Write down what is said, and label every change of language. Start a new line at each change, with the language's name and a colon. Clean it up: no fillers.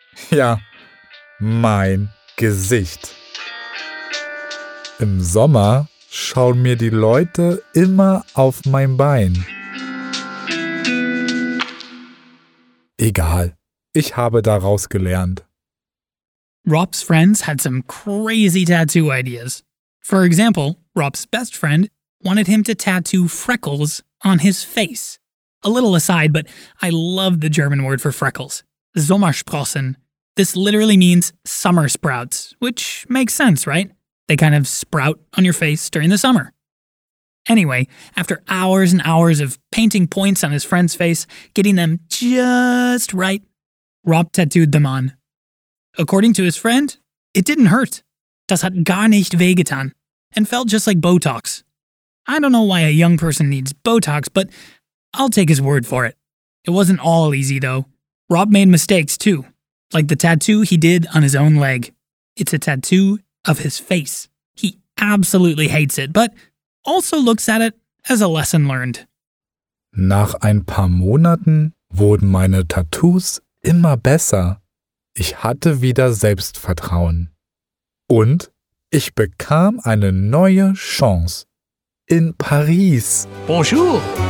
German: Ja, mein Gesicht. Im Sommer schauen mir die Leute immer auf mein Bein. Egal, ich habe daraus gelernt.
English: Rob's friends had some crazy tattoo ideas. For example, Rob's best friend wanted him to tattoo freckles on his face. A little aside, but I love the German word for freckles, Sommersprossen. This literally means summer sprouts, which makes sense, right? They kind of sprout on your face during the summer. Anyway, after hours and hours of painting points on his friend's face, getting them just right, Rob tattooed them on. According to his friend, it didn't hurt.
German: Das hat gar nicht wehgetan,
English: and felt just like Botox. I don't know why a young person needs Botox, but I'll take his word for it. It wasn't all easy, though. Rob made mistakes, too, like the tattoo he did on his own leg. It's a tattoo of his face. He absolutely hates it, but also looks at it as a lesson learned.
German: Nach ein paar Monaten wurden meine Tattoos immer besser. Ich hatte wieder Selbstvertrauen. Und ich bekam eine neue Chance. In Paris.
French: Bonjour.